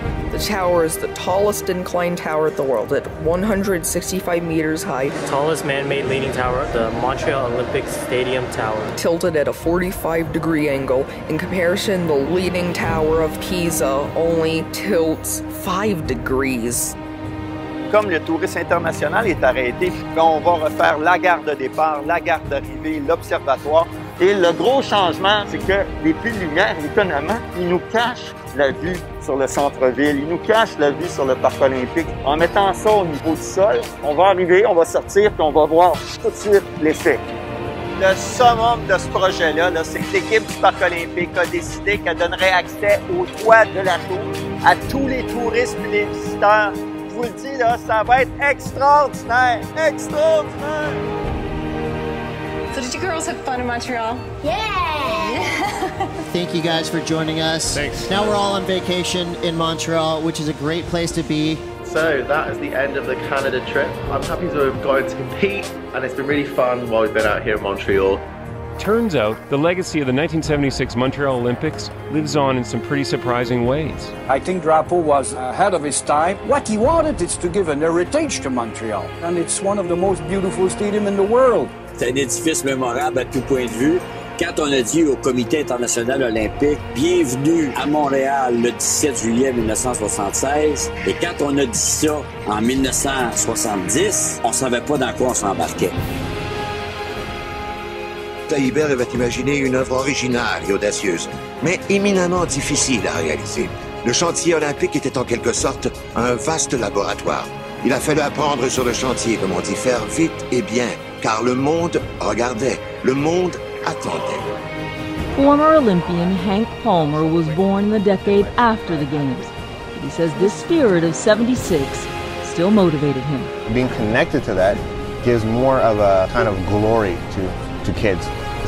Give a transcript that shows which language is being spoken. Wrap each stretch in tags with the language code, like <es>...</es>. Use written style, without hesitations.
<en>The tower is the tallest inclined tower in the world at 165 meters high. Tallest man-made leaning tower, the Montreal Olympic Stadium Tower. Tilted at a 45 degree angle. In comparison, the leaning tower of Pisa only tilts 5 degrees.</en> <fr>Comme le touriste international est arrêté, on va refaire la gare de départ, la gare d'arrivée, l'observatoire. Et le gros changement, c'est que les piles lumières, étonnamment, ils nous cachent la vue sur le centre-ville, ils nous cachent la vue sur le parc olympique. En mettant ça au niveau du sol, on va arriver, on va sortir, puis on va voir tout de suite l'effet. Le summum de ce projet-là, là, c'est que l'équipe du parc olympique a décidé qu'elle donnerait accès au toit de la tour à tous les touristes et les visiteurs. Je vous le dis, là, ça va être extraordinaire! Extraordinaire!</fr> <en>So did you girls have fun in Montreal? Yeah! Thank you guys for joining us. Thanks. Now we're all on vacation in Montreal, which is a great place to be. So that is the end of the Canada trip. I'm happy to have gone to compete, and it's been really fun while we've been out here in Montreal. Turns out, the legacy of the 1976 Montreal Olympics lives on in some pretty surprising ways. I think Drapeau was ahead of his time. What he wanted is to give an heritage to Montreal, and it's one of the most beautiful stadiums in the world.</en> <fr>C'est un édifice mémorable à tout point de vue. Quand on a dit au Comité international olympique « Bienvenue à Montréal le 17 juillet 1976 », et quand on a dit ça en 1970, on ne savait pas dans quoi on s'embarquait. Taillibert avait imaginé une œuvre originale et audacieuse, mais éminemment difficile à réaliser. Le chantier olympique était en quelque sorte un vaste laboratoire. Il a fallu apprendre sur le chantier, comme on dit, faire vite et bien. Car le monde regardait, le monde attendait.</fr> <en>Former Olympian Hank Palmer was born the decade after the Games. He says this spirit of 76 still motivated him. Being connected to that gives more of a kind of glory to kids, to</en>